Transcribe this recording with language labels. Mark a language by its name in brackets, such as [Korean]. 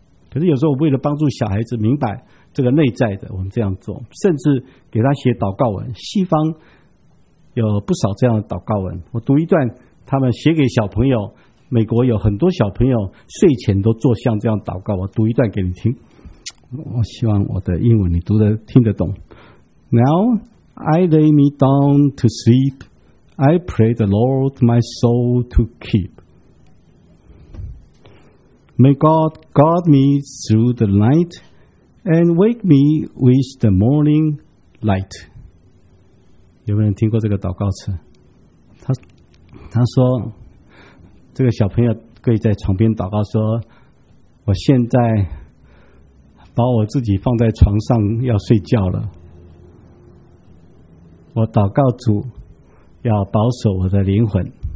[Chinese] 可是有时候为了帮助小孩子明白这个内在的，我们这样做，甚至给他写祷告文。西方有不少这样的祷告文，我读一段，他们写给小朋友，美国有很多小朋友睡前都做像这样祷告，我读一段给你听。我希望我的英文你读得听得懂。 [English] Now I lay me down to sleep, I pray the Lord my soul to keep. May God guard me through the night and wake me with the morning light. [Chinese] 有没有人听过这个祷告词？他说这个小朋友可以在床边祷告说，我现在把我自己放在床上要睡觉了，我祷告主要保守我的灵魂，